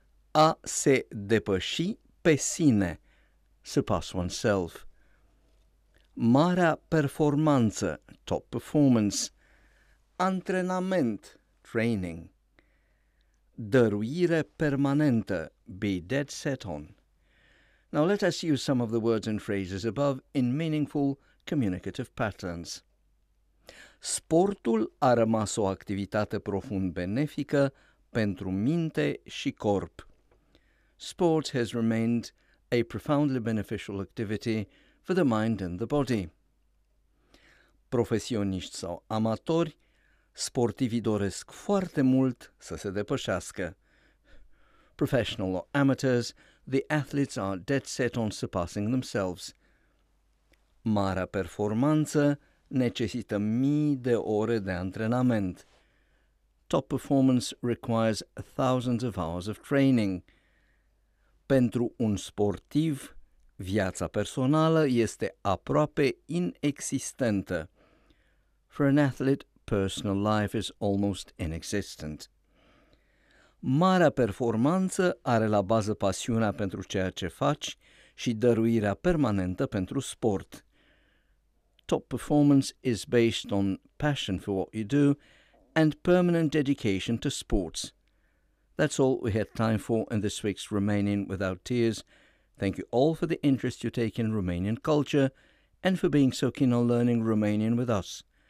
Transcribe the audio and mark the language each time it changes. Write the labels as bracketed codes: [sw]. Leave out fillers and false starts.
[ro] A se depăși pe sine, [en] surpass oneself. [ro] Marea performanță, [en] top performance. [ro] Antrenament, training. Dăruire permanentă, [en] be dead set on. Now let us use some of the words and phrases above in meaningful communicative patterns. [ro] Sportul a rămas o activitate profund benefică pentru minte și corp. [en] Sport has remained a profoundly beneficial activity for the mind and the body. [ro] Profesioniști sau amatori, sportivii doresc foarte mult să se depășească. [en] Professional or amateurs, the athletes are dead set on surpassing themselves. [ro] Marea performanță, necesită mii de ore de antrenament. [en] Top performance requires thousands of hours of training. [ro] Pentru un sportiv, viața personală este aproape inexistentă. [en] For an athlete, personal life is almost inexistent. [ro] Marea performanță are la bază pasiunea pentru ceea ce faci și dăruirea permanentă pentru sport. [en] Top performance is based on passion for what you do and permanent dedication to sports. That's all we had time for in this week's Romanian Without Tears. Thank you all for the interest you take in Romanian culture and for being so keen on learning Romanian with us.